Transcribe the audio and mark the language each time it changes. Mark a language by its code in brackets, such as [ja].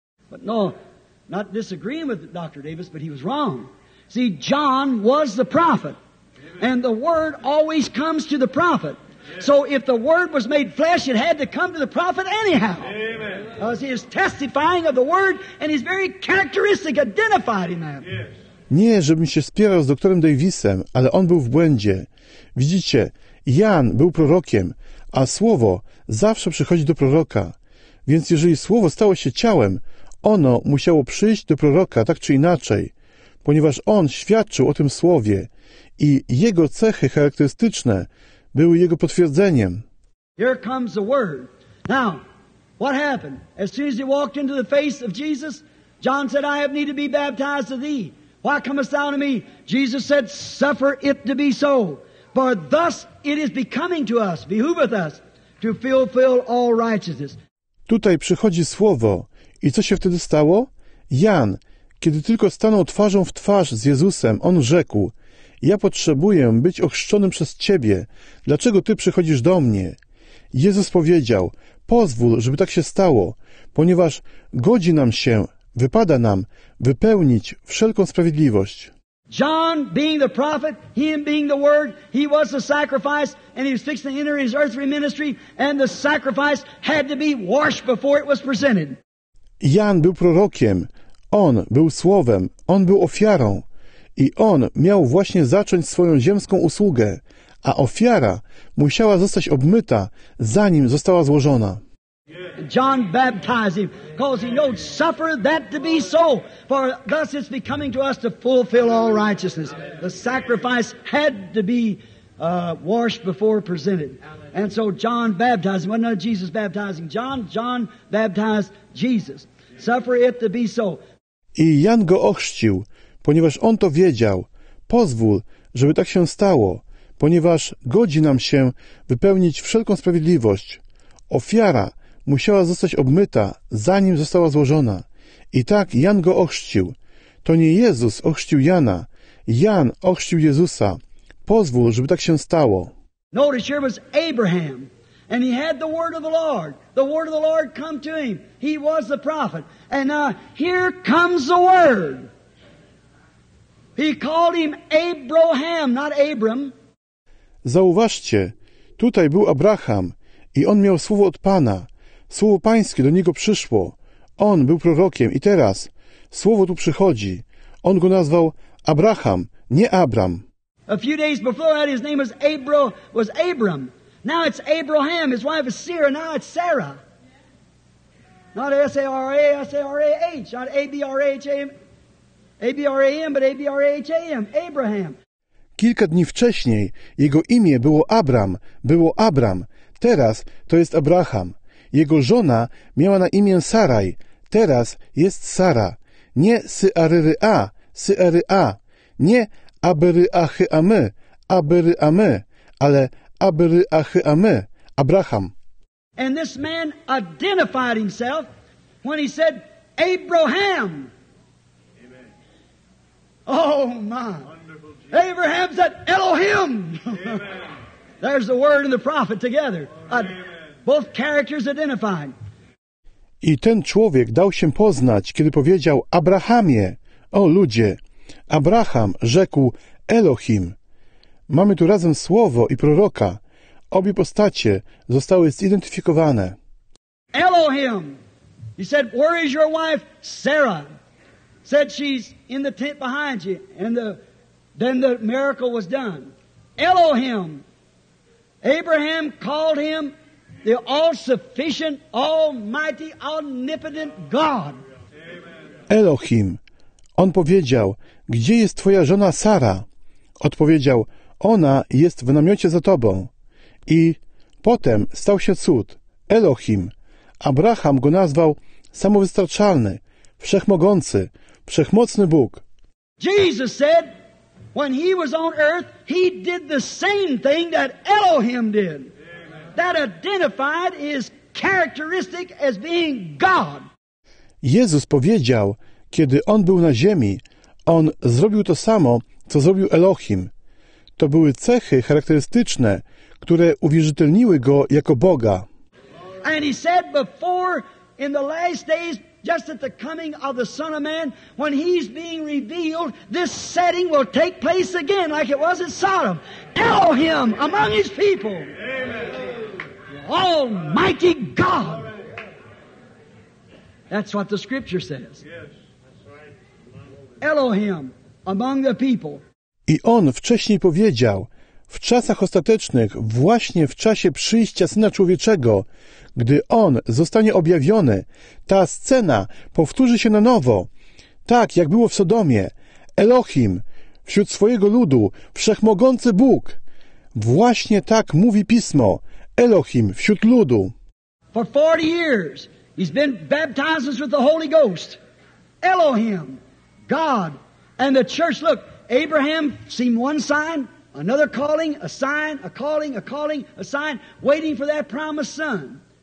[en] But no, not disagreeing with Dr. Davis, but he was wrong. See, John was the prophet, and the word always comes to the prophet. So if the word was made flesh, it had to come to the prophet anyhow. Amen. Because he is testifying of the word, and his very characteristic identified in that. [pl] Nie, żebym się spierał z doktorem Davisem, ale on był w błędzie. Widzicie, Jan był prorokiem, a słowo zawsze przychodzi do proroka. Więc jeżeli słowo stało się ciałem, ono musiało przyjść do proroka tak czy inaczej, ponieważ on świadczył o tym słowie i jego cechy charakterystyczne były jego potwierdzeniem. [en] Here comes the word. Now, what happened? As soon as he walked into the face of Jesus, John said, I have need to be baptized of thee. Why comest thou to me? Jesus said, suffer it to be so. For thus it is becoming to us, behooveth us, to fulfill all righteousness. [pl] Tutaj przychodzi słowo. I co się wtedy stało? Jan, kiedy tylko stanął twarzą w twarz z Jezusem, on rzekł, ja potrzebuję być ochrzczonym przez Ciebie. Dlaczego Ty przychodzisz do mnie? Jezus powiedział, pozwól, żeby tak się stało, ponieważ godzi nam się, wypada nam wypełnić wszelką sprawiedliwość. [en] John being the prophet, him being the word, he was the sacrifice, and he was fixed to enter his earthly ministry, and the sacrifice had to be washed before it was presented. [pl] Jan był prorokiem, on był słowem, on był ofiarą i on miał właśnie zacząć swoją ziemską usługę, a ofiara musiała zostać obmyta, zanim została złożona. [en] John baptized him, because he knows suffer that to be so, for thus it's becoming to us to fulfill all righteousness. The sacrifice had to be washed before presented. And so John baptized him. Well, not Jesus baptizing John, John baptized Jesus. Suffer it to be so. [pl] I Jan go ochrzcił, ponieważ on to wiedział. Pozwól, żeby tak się stało, ponieważ godzi nam się wypełnić wszelką sprawiedliwość. Ofiara musiała zostać obmyta, zanim została złożona. I tak Jan go ochrzcił. To nie Jezus ochrzcił Jana. Jan ochrzcił Jezusa. Pozwól, żeby tak się stało. [en] Notice, here was Abraham. And he had the word of the Lord. The word of the Lord come to him. He was the prophet. And now here comes the word. He called him Abraham, not Abram. [pl] Zauważcie, tutaj był Abraham i on miał słowo od Pana. Słowo Pańskie do niego przyszło. On był prorokiem i teraz słowo tu przychodzi. On go nazwał Abraham, nie Abram. [en] A few days before that his name was Abram. Now it's Abraham, his wife is Sarah, now it's Sarah. Not S-A-R-A-S-A-R-A-H, not A-B-R-A-H-A-M, A-B-R-A-M, but A-B-R-A-H-A-M, Abraham. [pl] Kilka dni wcześniej jego imię było Abram, teraz to jest Abraham. Jego żona miała na imię Saraj, teraz jest Sara. Nie Sy-A-R-Y-A, Sy-A-R-Y-A, nie Aby-R-Y-A-H-Y-A-M-Y, Aby-R-Y-A-M-Y, ale Aby-R-Y-A-H-Y-A-M-Y, Abraham. [en] And this man identified himself when he said, Abraham. Amen. Oh, my. Abraham said, Elohim. There's the word and the prophet together. Both characters identified. [pl] I ten człowiek dał się poznać, kiedy powiedział, Abrahamie, o ludzie. Abraham rzekł, Elohim. Mamy tu razem słowo i proroka. Obie postacie zostały zidentyfikowane. [en] Elohim. He said, where is your wife, Sarah? Said, she's in the tent behind you. And then the miracle was done. Elohim. Abraham called him the all-sufficient, almighty, omnipotent God. Elohim. [pl] On powiedział, gdzie jest twoja żona Sara? Odpowiedział, ona jest w namiocie za tobą. I potem stał się cud. Elohim. Abraham go nazwał samowystarczalny, wszechmogący, wszechmocny Bóg. [en] Jesus said, when he was on earth, he did the same thing that Elohim did. Amen. that identified is characteristic as being God. [pl] Jezus powiedział, kiedy on był na ziemi, on zrobił to samo, co zrobił Elohim. To były cechy charakterystyczne, które uwierzytelniły go jako Boga. [en] And he said before in the last days, just at the coming of the Son of Man, when he's being revealed, this setting will take place again like it was in Sodom. Tell him among his people. Amen. Almighty God. That's what the scripture says. Yes, that's right. Elohim among the people. [pl] I on wcześniej powiedział, w czasach ostatecznych, właśnie w czasie przyjścia Syna Człowieczego, gdy On zostanie objawiony, ta scena powtórzy się na nowo. Tak, jak było w Sodomie, Elohim, wśród swojego ludu, wszechmogący Bóg. Właśnie tak mówi Pismo, Elohim, wśród ludu. [en] For 40 years, he's been baptized with the Holy Ghost. Elohim, God, and the church, look, Abraham seemed one sign. Another calling, a sign, a calling, a sign, waiting for that promised son.